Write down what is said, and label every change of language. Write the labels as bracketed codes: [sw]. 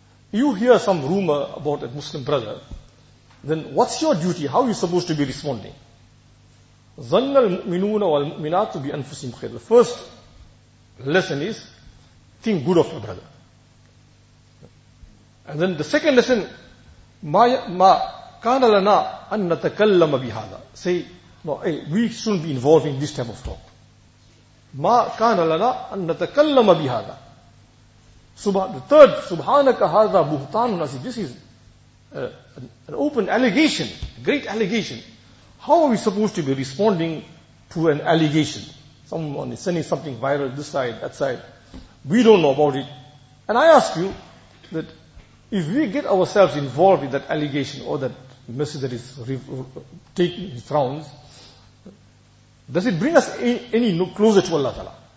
[en] You hear some rumor about a Muslim brother, then what's your duty? How are you supposed to be responding? [ar] ظَنَّ الْمُؤْمِنُونَ وَالْمُؤْمِنَاتُ بِأَنفُسِهِمْ خَيْرًا. [en] The first lesson is, think good of your brother. And then the second lesson, [ar] مَا كَانَ لَنَا أَن نَتَكَلَّمَ بِهَذَا. [en] Say, no, hey, we shouldn't be involved in this type of talk. [ar] مَا كَانَ لَنَا أَن نَتَكَلَّمَ بِهَذَا. [en] The third, [ar] سُبْحَانَكَ هَذَا بُهْتَانٌ عَزِيزٌ. [en] This is an open allegation, great allegation. How are we supposed to be responding to an allegation? someone is sending something viral this side, that side. We don't know about it. And I ask you that if we get ourselves involved in that allegation or that message that is taking its rounds, does it bring us any closer to Allah Ta'ala?